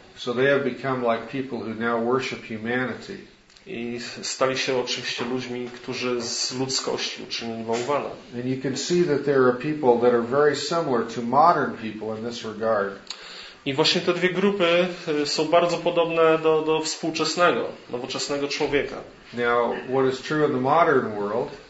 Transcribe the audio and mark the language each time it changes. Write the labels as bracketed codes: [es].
[en] So they have become like people who now worship humanity. [pl] I stali się oczywiście ludźmi, którzy z ludzkości uczynili bałwana. [en] And you can see that there are people that are very similar to modern people in this regard. [pl] I właśnie te dwie grupy są bardzo podobne do współczesnego, nowoczesnego człowieka. [en] Now, what is true in the modern world,